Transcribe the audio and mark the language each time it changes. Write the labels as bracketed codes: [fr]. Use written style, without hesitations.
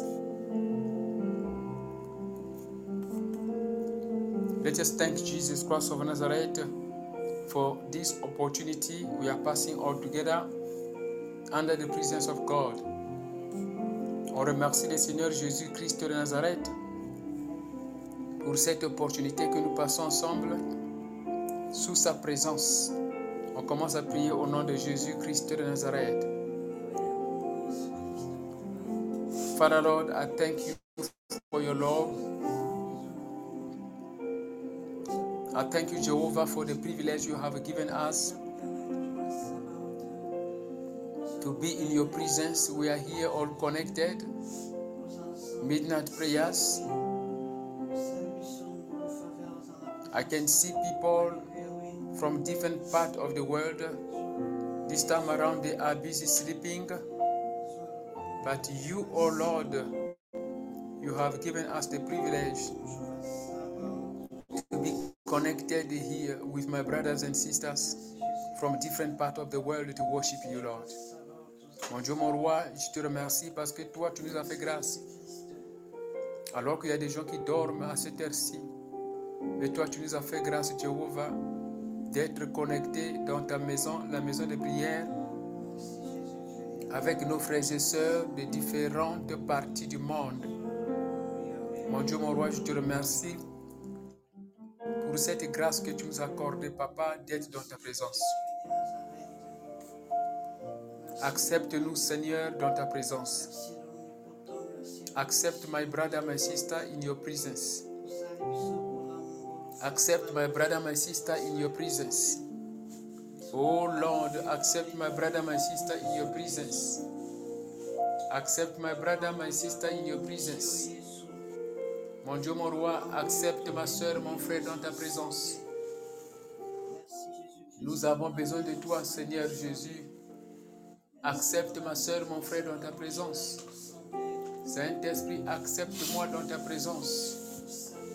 [en] Let us thank Jesus Christ of Nazareth for this opportunity we are passing all together under the presence of God. [fr] On remercie le Seigneur Jésus Christ de Nazareth pour cette opportunité que nous passons ensemble sous sa présence. On commence à prier au nom de Jésus Christ de Nazareth. [en] Father Lord, I thank you for your love. I thank you, Jehovah, for the privilege you have given us to be in your presence. We are here all connected. Midnight prayers. I can see people from different parts of the world. This time around, they are busy sleeping. But you, oh Lord, you have given us the privilege to be connected here with my brothers and sisters from different parts of the world to worship you, Lord. [fr] Mon Dieu, mon roi, je te remercie parce que toi, tu nous as fait grâce. Alors qu'il y a des gens qui dorment à cette heure-ci, mais toi, tu nous as fait grâce, Jéhovah, d'être connectés dans ta maison, la maison de prière, avec nos frères et sœurs de différentes parties du monde. Mon Dieu, mon roi, je te remercie pour cette grâce que tu nous accordes, Papa, d'être dans ta présence. Accepte-nous, Seigneur, dans ta présence. [en] Accepte my brother, my sister, in your presence. Accepte my brother, my sister, in your presence. Oh Lord, accept my brother, my sister, in your presence. Accepte my brother, my sister, in your presence. [fr] Mon Dieu, mon roi, accepte ma soeur, mon frère, dans ta présence. Nous avons besoin de toi, Seigneur Jésus. Accepte ma soeur, mon frère, dans ta présence. Saint-Esprit, accepte-moi dans ta présence.